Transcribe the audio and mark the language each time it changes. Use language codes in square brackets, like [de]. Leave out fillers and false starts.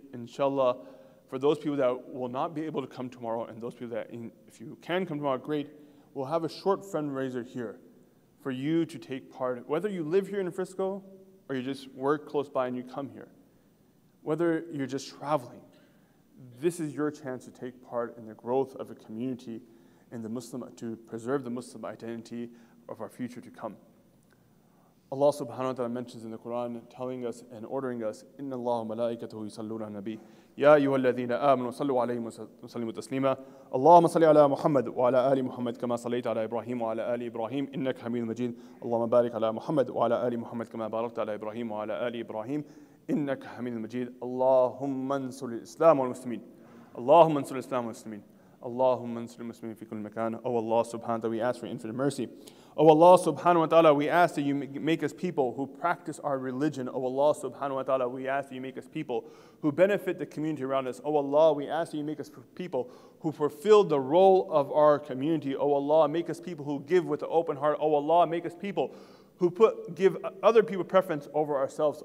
[en] Inshallah, for those people that will not be able to come tomorrow, and those people that, if you can come tomorrow, great, we'll have a short fundraiser here for you to take part, whether you live here in Frisco, or you just work close by and you come here, whether you're just traveling. This is your chance to take part in the growth of a community and the Muslim, to preserve the Muslim identity of our future to come. Allah subhanahu wa ta'ala mentions in the Quran, telling us and ordering us, [ar] إِنَّ اللَّهُ مَلَائِكَتُهُ يُصَلُّونَ النَّبِيِّ يَا أَيُّهَا الَّذِينَ آمَنُوا صَلُّوا عَلَيْهِ وَسَلِّمُوا تَسْلِيمًا اللهم صل على محمد وعلى آل محمد كما صليت على إبراهيم وعلى آل إبراهيم إنك حميد مجيد اللهم بارك على محمد وعلى آل محمد كما باركت على إبراهيم وعلى آل إبراهيم إنك حميد مجيد اللهم انصر الإسلام والمسلمين اللهم انصر الإسلام والمسلمين اللهم انصر المسلمين في كل مكان. [en] Oh Allah subhanahu wa ta'ala, we ask for infinite mercy. Oh Allah subhanahu wa ta'ala, we ask that you make us people who practice our religion. Oh Allah subhanahu wa ta'ala, we ask that you make us people who benefit the community around us. Oh Allah, we ask that you make us people who fulfill the role of our community. Oh Allah, make us people who give with an open heart. Oh Allah, make us people who give other people preference over ourselves.